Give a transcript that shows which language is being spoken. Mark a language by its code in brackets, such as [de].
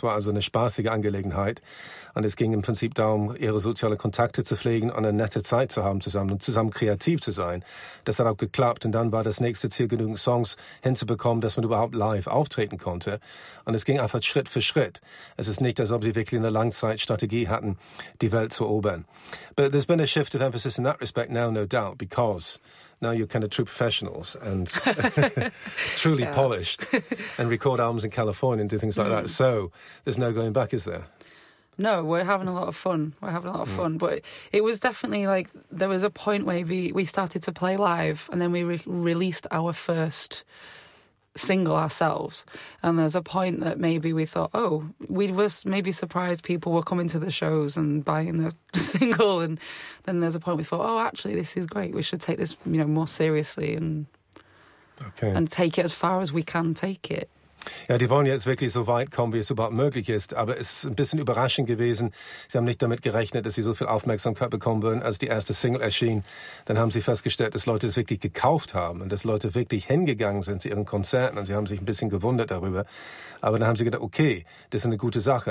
[de] Es war also eine spaßige Angelegenheit. Und es ging im Prinzip darum, ihre sozialen Kontakte zu pflegen und eine nette Zeit zu haben zusammen und zusammen kreativ zu sein. Das hat auch geklappt. Und dann war das nächste Ziel, genügend Songs hinzubekommen, dass man überhaupt live auftreten konnte. Und es ging einfach Schritt für Schritt. Es ist nicht, als ob sie wirklich eine Langzeitstrategie hatten, die Welt zu erobern. [en] But there's been a shift of emphasis in that respect now, no doubt, because... Now you're kind of true professionals and truly polished and record albums in California and do things like that. So there's no going back, is there? No, we're having a lot of fun. We're having a lot of fun. But it was definitely like there was a point where we started to play live and then we released our first single ourselves. And there's a point that maybe we thought, oh, we were maybe surprised people were coming to the shows and buying the single. And then there's a point we thought, oh, actually, this is great. We should take this, you know, more seriously and take it as far as we can take it. [de] Ja, die wollen jetzt wirklich so weit kommen, wie es überhaupt möglich ist. Aber es ist ein bisschen überraschend gewesen. Sie haben nicht damit gerechnet, dass sie so viel Aufmerksamkeit bekommen würden, als die erste Single erschien. Dann haben sie festgestellt, dass Leute es wirklich gekauft haben und dass Leute wirklich hingegangen sind zu ihren Konzerten. Und sie haben sich ein bisschen gewundert darüber. Aber dann haben sie gedacht, okay, das ist eine gute Sache.